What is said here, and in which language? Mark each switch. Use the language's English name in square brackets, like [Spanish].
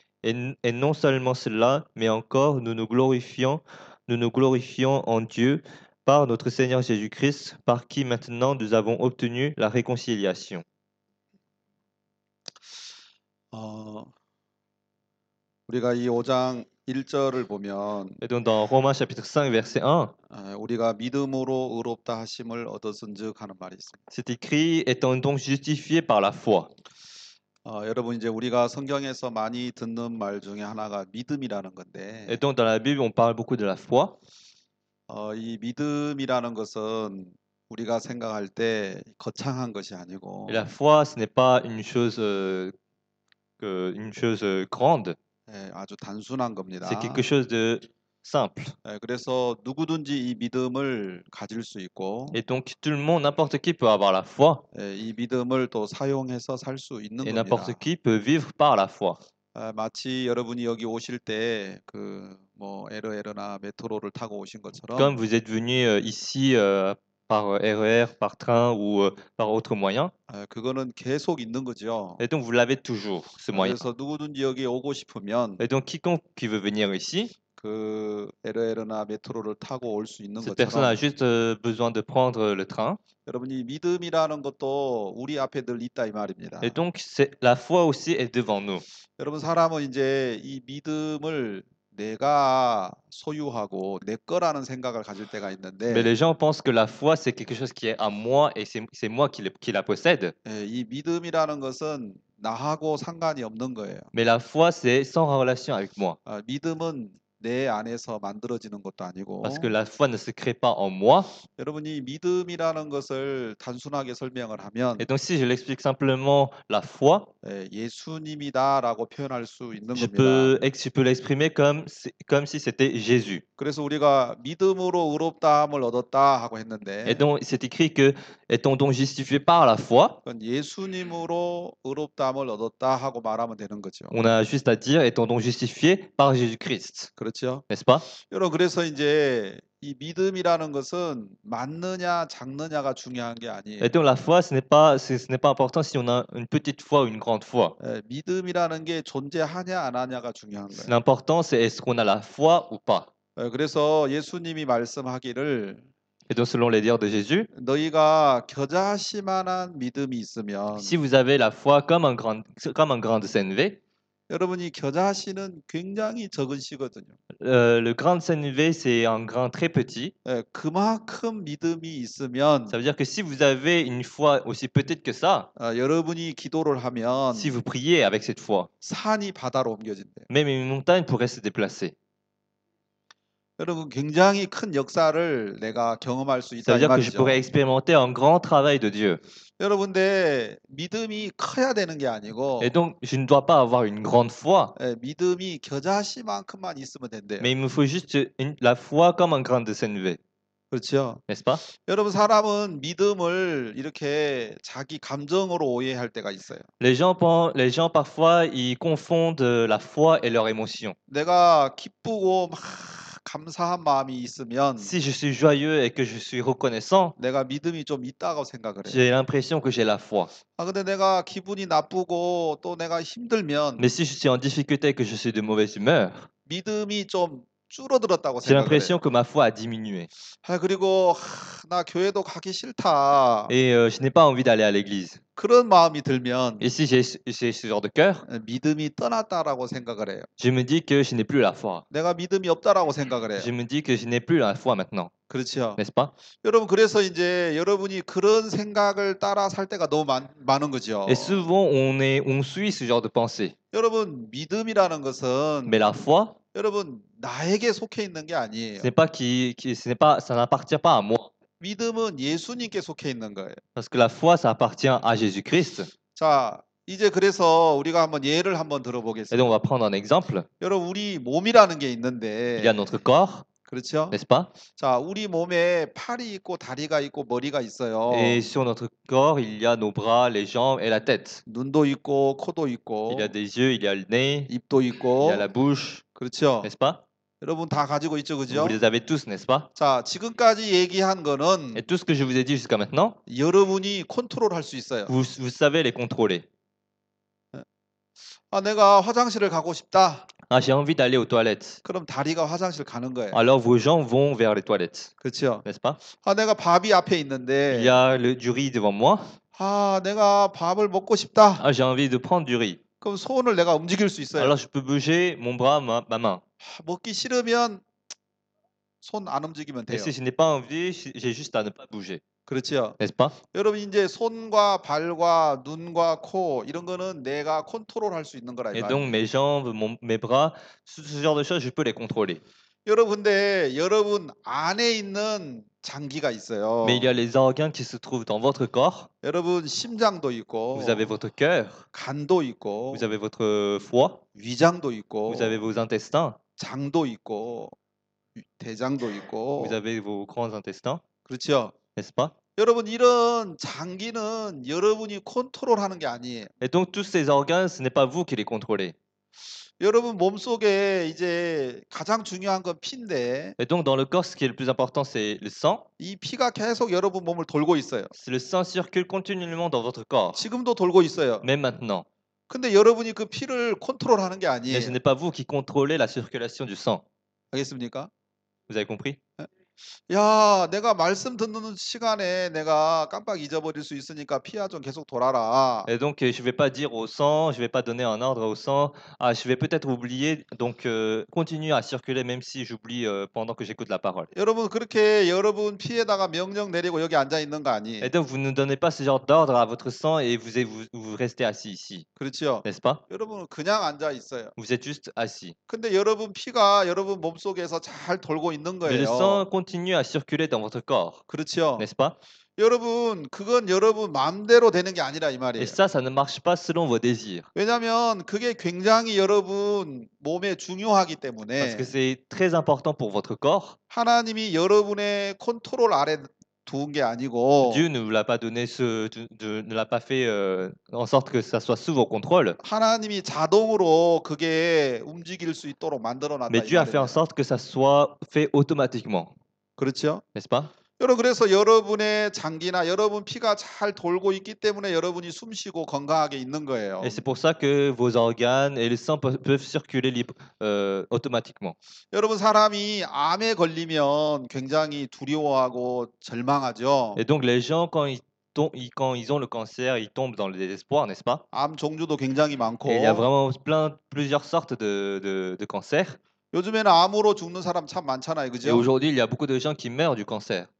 [French] Et non seulement cela, mais encore, nous nous glorifions en Dieu, par notre Seigneur Jésus-Christ, par qui maintenant nous avons obtenu la réconciliation. [Korean] 우리가 이 5장 1절을 보면 [French] Et donc dans Romains chapitre 5, verset 1, [Korean] 우리가 믿음으로 의롭다 하심을 얻었은즉 하는 말이 [French] c'est écrit étant donc justifié par la foi. [Korean] 여러분 이제 우리가 성경에서 많이 듣는 말 중에 하나가 믿음이라는 [French] Et [Korean] 건데 [French] donc dans la Bible, on parle beaucoup de la foi. [Korean] 이 믿음이라는 것은 우리가 생각할 때 거창한 것이 [French] Et la [Korean] 아니고 [French] foi, ce n'est pas une chose grande. [Korean] 예, 아주 단순한 [French] C'est [Korean] 겁니다. [French] quelque chose de simple. [Korean] 예, 그래서 누구든지 이 믿음을 가질 수 있고, [French] Et donc, tout le monde, n'importe qui peut avoir la foi. [Korean] 예, 이 믿음을 또 사용해서 살수 있는 [French] Et n'importe [Korean] 겁니다. [French] qui peut vivre par la foi. [Korean] 예, 마치 여러분이 여기 오실 때그뭐 LOL이나 메트로를 타고 오신 [French] Comme vous êtes venu ici par RER, par train ou par autre moyen. [Korean] yeah, 그거는 계속 있는 거죠. [French] Et donc, vous l'avez toujours, ce moyen. [Korean] 그래서 누구든지 여기 오고 싶으면 [French] Et donc, quiconque qui veut venir ici, [Korean] 그 LOL이나 메트로를 타고 올수 있는 [French] cette personne a juste besoin de prendre le train. [Korean] 여러분이 믿음이라는 것도 우리 앞에 늘 있다 이 [French] Et [Korean] 말입니다. [French] donc, c'est la foi aussi est devant nous. [Korean] 여러분 사람은 이제 이 믿음을 내가 소유하고 내 거라는 생각을 가질 때가 [French] Mais [Korean] 있는데 [French] les gens pensent que la foi, c'est quelque chose qui est à moi et c'est moi qui la possède. [Korean] 이 믿음이라는 것은 나하고 상관이 없는 거예요. [French] Mais la foi, c'est sans relation avec moi. [Korean] 믿음은 내 안에서 만들어지는 것도 [French] Parce que la foi ne se crée pas en moi. [Korean] 여러분이 믿음이라는 것을 단순하게 설명을 [French] Et [Korean] 하면, [French] donc, si je l'explique simplement, la foi, [Korean] 예수님이다라고 표현할 수 있는 겁니다. [French] je peux l'exprimer comme si c'était Jésus. [Korean] 그래서 우리가 믿음으로 의롭다함을 얻었다 하고 [French] Et [Korean] 했는데, [French] donc, c'est écrit que, étant donc justifié par la foi, [Korean] 그건 예수님으로 의롭다함을 얻었다 하고 말하면 되는 거죠. [French] on a juste à dire, étant donc justifié par Jésus-Christ. [Korean] 그렇죠? [French] N'est-ce pas? [Korean] 여러분, 그래서 이제 이 믿음이라는 것은 맞느냐, 작느냐가 중요한 게 [French] Et donc, [Korean] 아니에요. [French] la foi, ce n'est pas important si on a une petite foi ou une grande foi. [Korean] 믿음이라는 게 존재하냐, 안 하냐가 중요한 [French] L'important, c'est est-ce qu'on a la foi ou봐. [Korean] 거예요. 그래서 예수님이 말씀하기를 [French] Et donc, selon les dires de Jésus, [Korean] 너희가 겨자씨만한 믿음이 [French] si [Korean] 있으면 [French] vous avez la foi comme un grain de sève, [Korean] 여러분이 겨자씨는 굉장히 적은 씨거든요. [French] Le grain de sénévé, c'est un grain très petit. [Korean] 예, 그만큼 믿음이 있으면 [French] Ça veut dire que si vous avez une foi aussi petite que ça, [Korean] 여러분이 기도를 하면 [French] si vous priez avec cette foi, [Korean] 산이 바다로 옮겨진대요. [French] même une montagne pourrait se déplacer. [Korean] 여러분, 굉장히 큰 역사를 내가 경험할 수 [French] Ça veut dire que je [Korean] 말이죠. [French] pourrais expérimenter un grand travail de Dieu. [Korean] 여러분들 믿음이 커야 되는 게 아니고 [French] Et donc, je ne dois pas avoir une grande foi, [Korean] 예, 믿음이 겨자씨만큼만 있으면 된대요. [French] mais il me faut juste la foi comme un grain de sénévé. [Korean] 그렇죠? [French] N'est-ce pas? [Korean] 여러분, 사람은 믿음을 이렇게 자기 감정으로 오해할 때가 있어요. [French] les gens parfois, ils confondent la foi et leurs émotions. [Korean] 내가 기쁘고 막 감사한 마음이 있으면 [French] Si je suis joyeux et que je suis reconnaissant, [Korean] 내가 믿음이 좀 있다고 생각을 해요. [French] j'ai l'impression que j'ai la foi. [Korean] 아, 근데 내가 기분이 나쁘고 또 내가 힘들면 [French] Mais si je suis en difficulté et que je suis de mauvaise humeur, [Korean] 믿음이 좀 줄어들었다고 [French] j'ai [Korean] 생각을 해요. [French] l'impression que ma foi a diminué. [Korean] 아, 그리고 나 교회도 가기 싫다. [French] Je n'ai pas envie d'aller à l'église. [Korean] 그런 마음이 들면 [French] Et si j'ai ce genre de cœur, [Korean] 믿음이 떠났다라고 생각을 해요. [French] je me dis que je n'ai plus la foi. [Korean] 내가 믿음이 없다라고 생각을 해요. [French] Je me dis que je n'ai plus la foi maintenant. [Korean] 그렇죠. [French] N'est-ce pas? [Korean] 여러분, 그래서 이제 여러분이 그런 생각을 따라 살 때가 너무 많은 [French] Et [Korean] 거죠. [French] souvent on suit ce genre de pensée. [Korean] 여러분, 믿음이라는 [French] Mais [Korean] 것은 [French] la foi, [Korean] 여러분, 나에게 속해 있는 게 아니에요. [French] ce n'est pas, ça n'appartient pas à moi. [Korean] 믿음은 예수님께 속해 있는 거예요. [French] Parce que la foi, ça appartient à Jésus-Christ. [Korean] 자, 이제 그래서 우리가 한번 예를 한번 들어보겠습니다. [French] Et donc on va prendre un exemple. [Korean] 여러분, 우리 몸이라는 게 [French] Il y [Korean] 있는데, [French] a notre corps, [Korean] 그렇죠? [French] n'est-ce pas? [Korean] 자, 우리 몸에 팔이 있고 다리가 있고 머리가 [French] Et [Korean] 있어요. [French] sur notre corps, il y a nos bras, les jambes et la tête. [Korean] 눈도 있고 코도 [French] Il y a [Korean] 있고 [French] des yeux, il y a le nez, [Korean] 입도 [French] il y a [Korean] 있고, [French] la bouche, [Korean] 그렇죠? [French] n'est-ce pas? [Korean] 여러분 다 가지고 있죠, [French] Vous [Korean] 그죠? [French] les avez tous, n'est-ce pas? [Korean] 자, 지금까지 얘기한 거는 [French] Et tout ce que je vous ai dit jusqu'à maintenant, [Korean] 여러분이 컨트롤할 수 있어요. [French] vous savez les contrôler. [Korean] 아, 내가 화장실을 가고 싶다. [French] Ah, j'ai envie d'aller aux toilettes. [Korean] 그럼 다리가 화장실 가는 거예요. [French] Alors vos jambes vont vers les toilettes. [Korean] 그렇죠? [French] N'est-ce pas? [Korean] 아, 내가 밥이 앞에 [French] Il y [Korean] 있는데, [French] a du riz devant moi. [Korean] 아, 내가 밥을 먹고 싶다. [French] Ah, j'ai envie de prendre du riz. [Korean] 그럼 손을 내가 움직일 수 있어요. [French] Alors je peux bouger mon bras, ma main. [Korean] 먹기 싫으면 손안 움직이면 [French] Et [Korean] 돼요. [French] si je n'ai pas envie, j'ai juste à ne pas bouger. [Korean] 그렇죠? [French] N'est-ce pas? [Korean] 여러분, 이제 손과 발과 눈과 코 이런 거는 내가 컨트롤할 수 있는 거라 이 [French] Et donc mes jambes, mes bras, ce genre de choses, je peux les contrôler. [Korean] 여러분들, 여러분 안에 있는 장기가 [French] Mais il y a les organes qui se trouvent dans votre corps. [Korean] 여러분 심장도 [French] Vous [Korean] 있고, [French] avez votre cœur. [Korean] 肝도 [French] Vous [Korean] 있고, [French] avez votre foie. [Korean] 위장도 [French] Vous [Korean] 있고, [French] avez vos intestins. [Korean] 장도 있고, 대장도 [French] Vous [Korean] 있고. [French] avez vos grands intestins. [Korean] 그렇죠? [French] N'est-ce pas? [Korean] 여러분, 이런 장기는 여러분이 컨트롤하는 게 아니에요. [French] Et donc tous ces organes, ce n'est pas vous qui les contrôlez. [Korean] 여러분 몸속에 이제 가장 중요한 건 피인데, [French] Et donc dans le corps, ce qui est le plus important, c'est le sang. [Korean] 이 피가 계속 여러분 몸을 돌고 있어요. [French] Le sang circule continuellement dans votre corps, [Korean] 지금도 돌고 있어요. [French] même maintenant. [Korean] 근데 여러분이 그 피를 컨트롤하는 게 [French] Mais ce n'est pas vous qui contrôlez la circulation du sang. [Korean] 알겠습니까? [French] Vous avez compris? [Korean] 야, 내가 말씀 듣는 시간에 내가 깜빡 잊어버릴 수 있으니까 피야 좀 계속 돌아라. [French] Et donc, je ne vais pas dire au sang, je ne vais pas donner un ordre au sang. Ah, je vais peut-être oublier. Donc, continue à circuler, même si j'oublie pendant que j'écoute la parole. [Korean] 여러분, 그렇게 여러분 피에다가 명령 내리고 여기 앉아 있는 거 [French] Et [Korean] 아니에요? [French] donc, vous ne donnez pas ce genre d'ordre à votre sang et vous restez assis ici. [Korean] 그렇죠? [French] N'est-ce pas? [Korean] 여러분은 그냥 앉아 있어요. [French] Vous êtes juste assis. [Korean] 근데 여러분 피가 여러분 몸속에서 잘 돌고 있는 [French] Mais le [Korean] 거예요. [French] sang continue à circuler dans votre corps. [Korean] 그렇죠? [French] N'est-ce pas? [Korean] 여러분, 그건 여러분 마음대로 되는 게 아니라 이 [French] Et [Korean] 말이에요. [French] ça ne marche pas selon vos désirs. [Korean] 왜냐하면 그게 굉장히 여러분 몸에 중요하기 [French] Parce [Korean] 때문에 [French] que c'est très important pour votre corps. [Korean] 하나님이 여러분의 컨트롤 아래 두은 게 아니고 [French] Dieu ne vous l'a pas donné ne l'a pas fait en sorte que ça soit sous vos contrôles. [Korean] 하나님이 자동으로 그게 움직일 수 있도록 만들어 [French] Mais [Korean] 놨다 이 [French] Dieu a fait [Korean] 말이에요. [French] en sorte que ça soit fait automatiquement. [Korean] 그렇죠? [French] N'est-ce pas? [Korean] 여러분, 그래서 여러분의 장기나 여러분 피가 잘 돌고 있기 때문에 여러분이 숨 쉬고 건강하게 있는 [French] Et [Korean] 거예요. [French] c'est pour ça que vos organes et le sang peuvent circuler automatiquement. [Korean] 여러분, 사람이 암에 걸리면 굉장히 두려워하고 절망하죠. [French] Et donc les gens, quand ils quand ils ont le cancer, ils tombent dans le désespoir, n'est-ce pas? [Korean] 암 종류도 굉장히 [French] Et il y a [Korean] 많고 [French] vraiment plusieurs sortes de cancers. [Korean] 요즘에는 암으로 죽는 사람 참 많잖아요, [French] Et [Korean] 그죠? [French] aujourd'hui, il y a beaucoup de gens qui meurent du cancer,